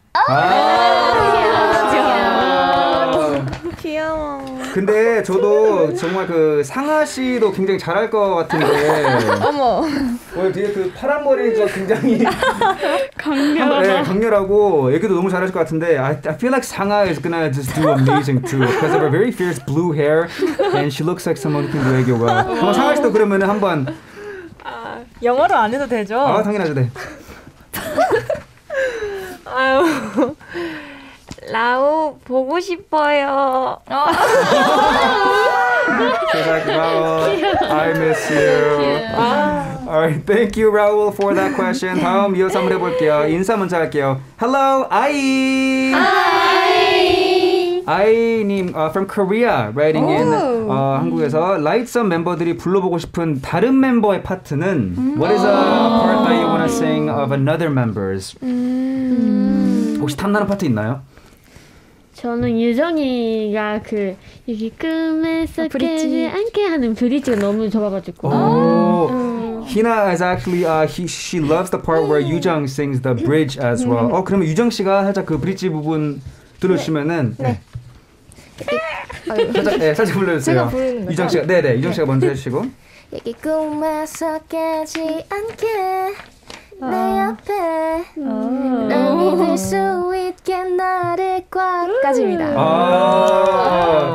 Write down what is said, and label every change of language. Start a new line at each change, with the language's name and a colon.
Korean: Oh, 아~ 귀여워. 귀여워. 근데 저도 정말 그 상하 씨도 굉장히 잘할 것 같은데. 어머. 오늘 뒤에 그 파란 머리도 굉장히 강렬하고. 네, 강렬하고 얘기도 너무 잘하실 것 같은데.
English: I feel like 상하 is gonna just do amazing too. Because of her very fierce blue hair, and she looks like someone who can do 애교가.
Korean: 한번 상하 씨도 그러면 한번. 아 영어로 안 해도 되죠? 아 당연하죠, 네. 아유, 라우 보고 싶어요. 고마워.
English: I miss you. Alright, thank you, Raul, for that question.
Korean: 다음 이어서 한번 해볼게요. 인사 먼저 할게요. Hello, Ai.
English: Hi. Ai님 from Korea, writing in.
Korean: 한국에서 라이트썸 멤버들이 불러보고 싶은 다른 멤버의 파트는
English: What is a part that you wanna sing of another members?
Korean: 혹시 탐나는 파트 있나요? 저는 유정이가 그 이렇게 꿈에서 깨지 않게 하는 브릿지가 너무 좋아가지고
English: Hina is actually she loves the part where 유정 sings the bridge as well.
Korean: 그러면 유정 씨가 살짝 그 브릿지 부분 들어주시면은 살짝 불러주세요. 유정 씨가 네네 유정 씨가 먼저 해주시고 이렇게 꿈에서 깨지 않게 내 옆에 난 믿을 수 있게 나를 꽉 까집니다.